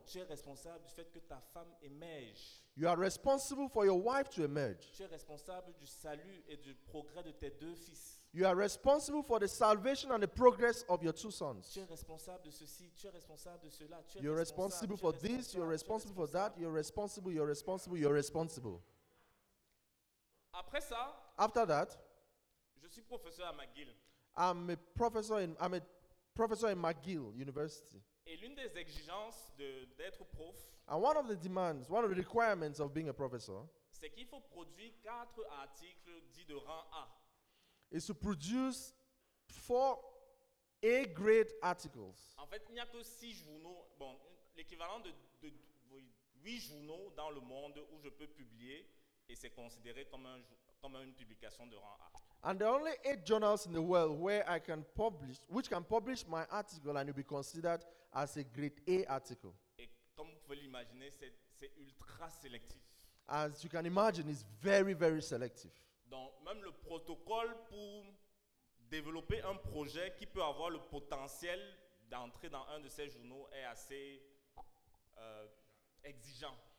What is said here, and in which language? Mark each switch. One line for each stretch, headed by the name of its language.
French: Tu es responsable du fait que ta femme émerge.
English: You are responsible for your wife to emerge.
French: Tu es responsable du salut et du progrès de tes 2 fils.
English: You are responsible for the salvation and the progress of your 2 sons.
French: Tu es responsable de ceci, tu es responsable de cela, tu es
English: You're responsible for this, you're responsible for that, you're responsible, you're responsible, you're responsible.
French: Après ça,
English: after that,
French: je suis professeur à McGill.
English: I'm a professor in McGill University.
French: Et l'une des exigences d'être prof,
English: and one of the demands, one of the requirements of being a professor,
French: c'est qu'il faut produire 4 articles dits de rang A.
English: Is to produce 4 A-grade articles.
French: En fait, il n'y a que 6 journaux, bon, l'équivalent de 8 journaux dans le monde où je peux publier et c'est considéré comme une publication de rang A.
English: And there are only 8 journals in the world where I can publish, which can publish my article and it'll be considered as a grade A article.
French: Et comme vous pouvez l'imaginer, c'est ultra sélectif.
English: As you can imagine, it's very, very selective.
French: Donc, même le protocole pour développer un projet qui peut avoir le potentiel d'entrer dans un de ces journaux est assez exigeant.